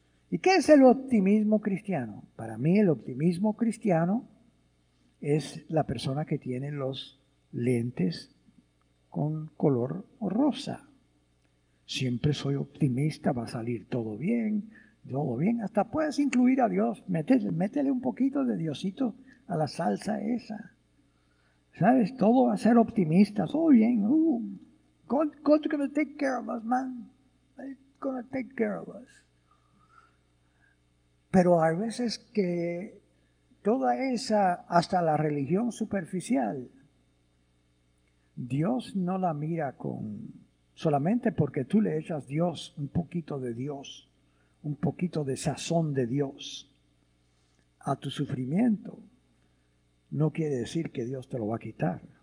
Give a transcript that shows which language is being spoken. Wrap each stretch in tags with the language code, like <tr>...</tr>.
<es>¿Y qué es el optimismo cristiano? Para mí el optimismo cristiano es la persona que tiene los lentes con color rosa. Siempre soy optimista, va a salir todo bien, todo bien. Hasta puedes incluir a Dios, métele un poquito de Diosito a la salsa esa. ¿Sabes? Todo va a ser optimista, todo bien.</es> <en>God's gonna take care of us, man. He's gonna take care of us.</en> <es>Pero hay veces que toda esa, hasta la religión superficial, Dios no la mira con, solamente porque tú le echas Dios, un poquito de Dios, un poquito de sazón de Dios a tu sufrimiento, no quiere decir que Dios te lo va a quitar.</es>